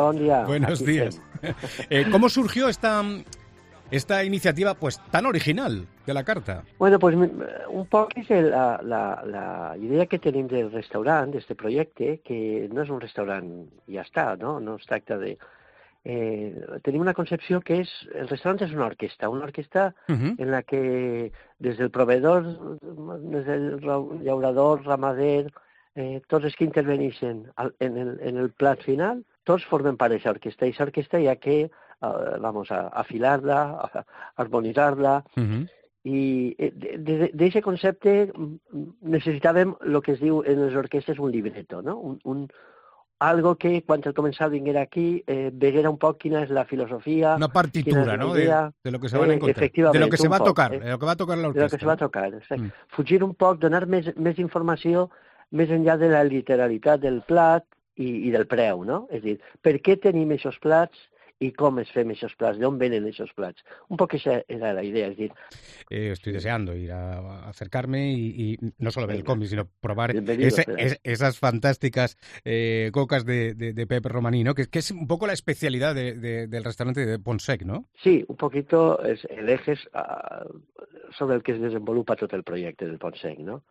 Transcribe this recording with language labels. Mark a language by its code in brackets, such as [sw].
[es] Buenos aquí días. ¿Cómo surgió esta iniciativa pues tan original de la carta? Bueno, pues un poco es la idea que tenim del restaurante, de este proyecto, que no es un restaurante y ya está, ¿no? No se trata de... [ca] tenim una concepció que és el restaurant és una orquesta uh-huh. en la que des del proveedor, des del llaurador, ramader, tots els que intervenixen en el plat final, tots formen part d'aquesta orquesta, i orquesta ja que [es] vamos a [ca] afilar-la, a harmonitzar-la, uh-huh. i d'aquest concepte necessitàvem el que es diu en les orquestes un libreto, no? un algo que quan el comensal vinguera aquí veguera un poc quina és la filosofia, [es] una partitura, no, de lo que se van a encontrar, de lo que se va a tocar, de lo que va a tocar la orquesta. De lo que se va a tocar, o sea, [ca] fugir un poc, donar més informació més enllà de la literalitat del plat i del preu, no? És a dir, per què tenim aquests plats i com es fem aquests plats, d'on venen aquests plats. Un poc aquesta era la idea, és a dir, [es] estoy deseando ir a acercarme y no solo ver el cómic, sino probar esas fantásticas cocas de Pep Romaní, ¿no? Que es un poco la especialidad del restaurante de Pont Sec, ¿no? Sí, un poquito es el eje sobre el que se desenvolupa todo el proyecto del Pont Sec, ¿no?